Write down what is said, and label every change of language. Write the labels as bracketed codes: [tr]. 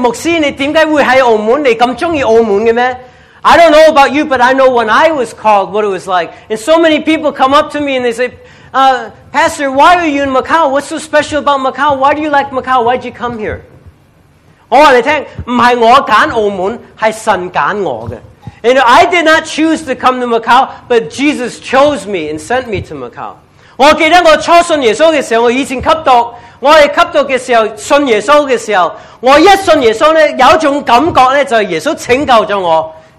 [zh] 我们不知道,我知道当时我是被呼召是怎样,很多人会问我,喂,牧师,你为什么会在澳门,你这么喜欢澳门的吗? [en] I don't know about you, but I know when I was called, what it was like. And so many people come up to me and they say, Pastor, why are you in Macau? What's so special about Macau? Why do you like Macau? Why did you come here? [zh] 我告诉你,不是我选澳门,是神选我的。 [en] And I did not choose to come to Macau, but Jesus chose me and sent me to Macau. [zh] 我记得我初信耶稣的时候,我以前吸毒,我是吸毒的时候,信耶稣的时候,我一信耶稣呢,有一种感觉呢,就是耶稣拯救了我。